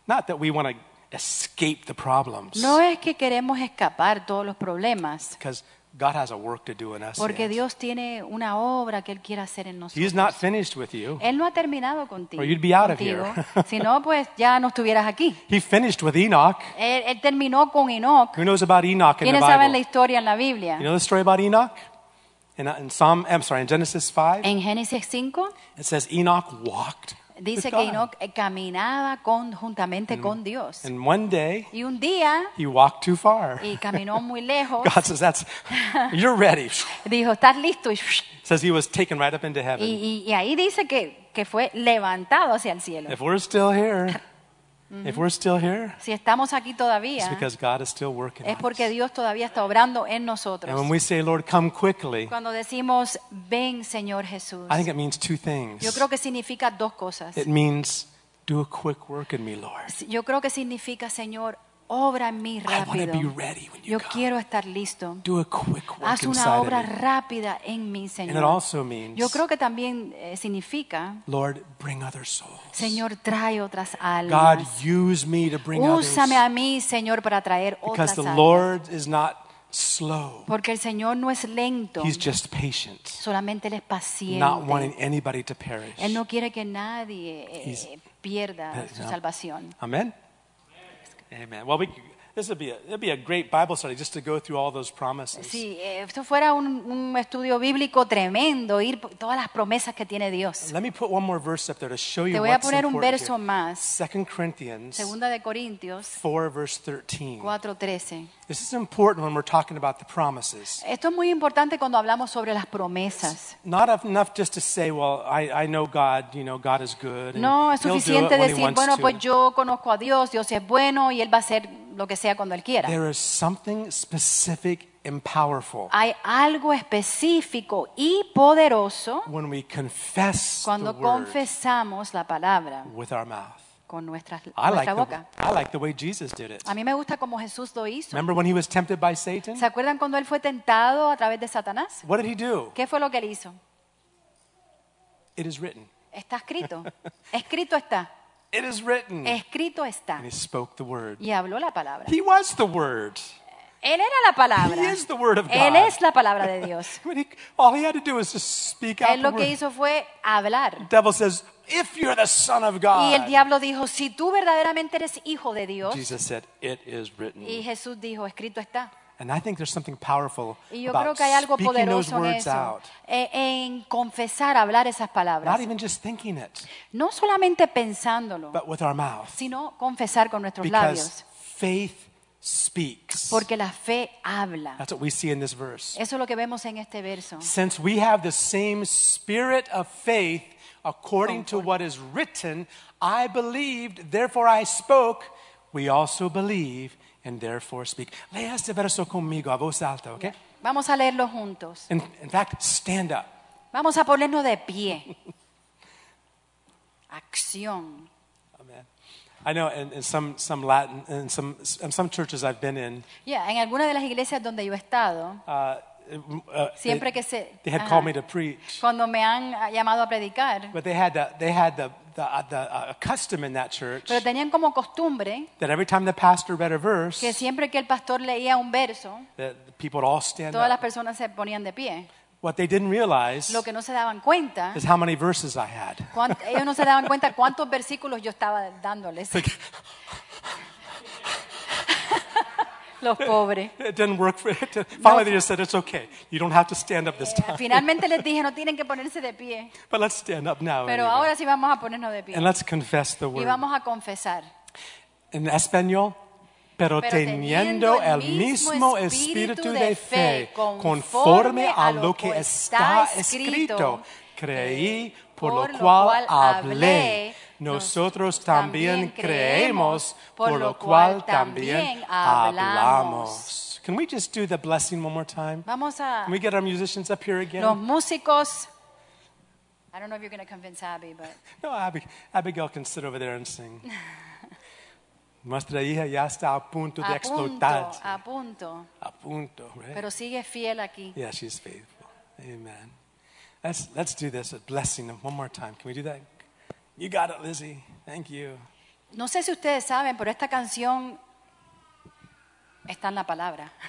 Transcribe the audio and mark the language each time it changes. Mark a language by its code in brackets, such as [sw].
[en] Not that we want to escape the problems. [es] No es que queremos escapar todos los problemas. [en] Because God has a work to do in us. [es] Porque Dios tiene una obra que él quiere hacer en nosotros. [en] He's not finished with you. [es] Él no ha terminado contigo. [en] Or you'd be out of here. [es] Si no, pues ya no estuvieras aquí. [en] He finished with Enoch. [es] Él terminó con Enoch. [en] Who knows about Enoch in the Bible? [es] ¿Quiénes saben la historia en la Biblia? [en] You know the story about Enoch? In Genesis 5. [es] En Génesis 5. [en] It says Enoch walked. [es] Dice que Enoch caminaba conjuntamente con Dios. [en] And one day, [es] y un día, [en] he walked too far. [es] Y caminó muy lejos. [en] God says, "That's you're ready." [es] Dijo, "Estás listo." [en] Says he was taken right up into heaven. [es] Y ahí dice que fue levantado hacia el cielo. [en] If we're still here, if we're still here, [es] si estamos aquí todavía, [en] it's because God is still working. [es] Es porque Dios todavía está obrando en nosotros. [en] And when we say, "Lord, come quickly," [es] cuando decimos, "Ven, Señor Jesús," [en] I think it means two things. [es] Yo creo que significa dos cosas. [en] It means, "Do a quick work in me, Lord." [es] Yo creo que significa, Señor, obra en mí rápido. [en] I want to be ready when you come. [es] Quiero estar listo. [en] Do a quick work. [es] Haz una obra rápida en mí, Señor. [en] And it also means, [es] yo creo que también significa, [en] Lord, bring other souls. [es] Señor, trae otras almas. [en] God, use me to bring [es] úsame [en] others. [es] Úsame a mí, Señor, para traer otras almas. [en] Because the Lord is not slow. [es] Porque el Señor no es lento. [en] He's just patient. [es] Solamente él es paciente. [en] Not wanting anybody to perish. [es] Él no quiere que nadie pierda su salvación. [en] Amen. Amen. Well, it'd be a great Bible study just to go through all those promises. [es] Sí, esto fuera un estudio bíblico tremendo, ir todas las promesas que tiene Dios. [en] Let me put one more verse up there to show you. [es] Te voy [en] what's [es] a poner un verso [en] here. [es] Más. [en] 2 Corinthians. [es] Segunda de Corintios. [en] 4 verse 13. [es] 4:13. [en] This is important when we're talking about the promises. [es] Esto es muy importante cuando hablamos sobre las promesas. [en] It's not enough just to say, "Well, I know God. You know, God is good." [es] No, es suficiente decir, "Bueno, pues yo conozco a Dios. Dios es bueno y él va a hacer lo que sea cuando él quiera." [en] There is something specific and powerful. [es] Hay algo específico y poderoso [en] when we confess the word. [es] Cuando confesamos la palabra. [en] With our mouth. [es] Con nuestra boca. [en] I like the way Jesus did it. [es] A mí me gusta como Jesús lo hizo. [en] Remember when he was tempted by Satan? [es] ¿Se acuerdan cuando él fue tentado a través de Satanás? [en] What did he do? [es] ¿Qué fue lo que él hizo? [en] It is written. [es] Está escrito. Escrito está. [en] It is written. [es] Escrito está. [en] And he spoke the word. [es] Y habló la palabra. [en] He was the word. [es] Él era la palabra. [en] He is the word of God. [es] Él es la palabra de Dios. [en] All he had to do was just speak out. [es] Él lo que hizo fue hablar. [en] The devil says, "If you're the son of God." [es] Y el diablo dijo, "Si tú verdaderamente eres hijo de Dios." [en] Jesus said, "It is written." [es] Y Jesús dijo, "Escrito está." [en] And I think there's something powerful about speaking those words out. [es] En confesar, hablar esas palabras. [en] Not even just thinking it. [es] No solamente pensándolo. [en] But with our mouth. [es] Sino confesar con nuestros [en] because [es] labios. [en] Because faith speaks. [es] Porque la fe habla. [en] That's what we see in this verse. [es] Eso es lo que vemos en este verso. [en] Since we have the same spirit of faith, according to what is written, I believed, therefore I spoke, we also believe, and therefore speak. [es] Lea este verso conmigo a voz alta, ¿ok? Vamos a leerlo juntos. [en] In fact, stand up. [es] Vamos a ponernos de pie. Acción. [en] I know in some Latin and some churches I've been in. [es] Yeah, en alguna de las iglesias donde yo he estado. Siempre que se [en] they had called me to preach. [es] Cuando me han llamado a predicar. [en] But they had the custom in that church. [es] Pero tenían como costumbre. [en] That every time the pastor read a verse. [es] Que siempre que el pastor leía un verso. [en] That people would all stand. [es] Todas [en] up. [es] Las personas se ponían de pie. [en] What they didn't realize [es] lo que no se daban cuenta [en] is how many verses I had. [es] Ellos no se daban cuenta cuántos versículos yo estaba dándoles. Los pobres. [en] It didn't work for it. Finally, they just said, "It's okay. You don't have to stand up this time." [es] Finalmente les dije, no tienen que ponerse de pie. [en] But let's stand up now. [es] Pero [en] anyway. [es] Ahora sí vamos a ponernos de pie. [en] And let's confess the word. [es] Y vamos a confesar. En español. Pero teniendo el mismo espíritu de fe, conforme a lo que está escrito, creí, por lo cual hablé. nosotros también creemos, por lo cual también hablamos. [en] Can we just do the blessing one more time? Can we get our musicians up here again? [es] Los músicos. [en] I don't know if you're going to convince Abby, but... No, Abigail can sit over there and sing. [es] Nuestra hija ya está a punto de explotar. A punto. A punto, [en] right? [es] Pero sigue fiel aquí. [en] Yeah, she's faithful. Amen. Let's do this, a blessing one more time. Can we do that? You got it, Lizzie. Thank you. [es] No sé si ustedes saben, pero esta canción está en la palabra.